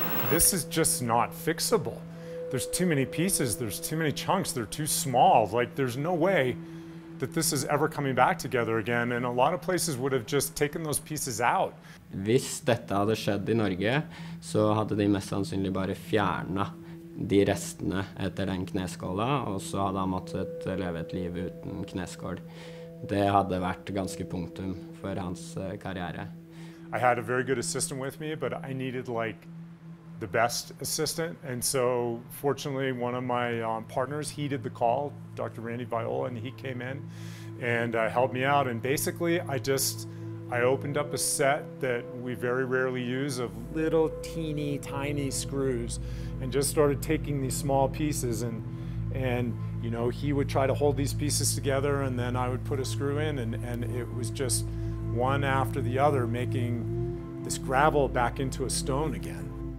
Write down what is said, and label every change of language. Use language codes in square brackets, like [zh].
[en] This is just not fixable. There's too many pieces, there's too many chunks, they're too small. Like, there's no way that this is ever coming back together again, and a lot of places would have just taken those pieces out. [no] Hvis dette hadde skjedd i Norge, så hadde de mest sannsynlig bare fjernet de restene etter den kneskåla, og så hadde han måttet leve et liv uten kneskål. Det hadde vært ganske punktum for hans karriere. [en] I had a very good assistant with me, but I needed, like, the best assistant, and so fortunately one of my partners heeded the call, Dr. Randy Viola, and he came in and helped me out, and basically I opened up a set that we very rarely use of little teeny tiny screws and just started taking these small pieces and you know, he would try to hold these pieces together and then I would put a screw in and it was just one after the other making this gravel back into a stone again.